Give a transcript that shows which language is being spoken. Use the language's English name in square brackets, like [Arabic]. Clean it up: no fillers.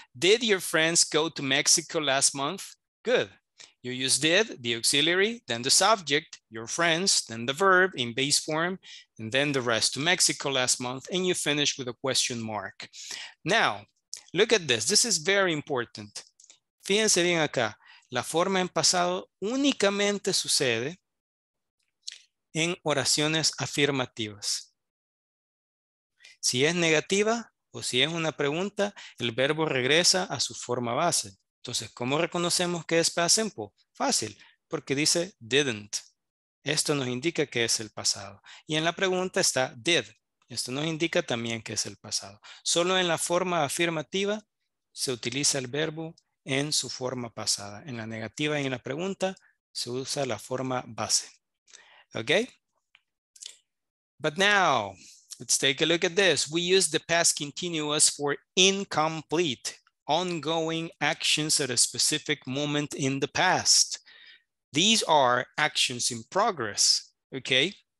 [English] Did your friends go to Mexico last month? Good. You use did, the auxiliary, then the subject, your friends, then the verb in base form, and then the rest to Mexico last month, and you finish with a question mark. Now, look at this. This is very important. [Spanish] Fíjense bien acá. La forma en pasado únicamente sucede en oraciones afirmativas. Si es negativa o si es una pregunta, el verbo regresa a su forma base. Entonces, ¿cómo reconocemos que es past simple? Fácil, porque dice didn't. Esto nos indica que es el pasado. Y en la pregunta está did. Esto nos indica también que es el pasado. Solo en la forma afirmativa se utiliza el verbo en su forma pasada. En la negativa y en la pregunta se usa la forma base. [English] Okay? But now, let's take a look at this. We use the past continuous for incomplete, ongoing actions at a specific moment in the past. These are actions in progress, okay?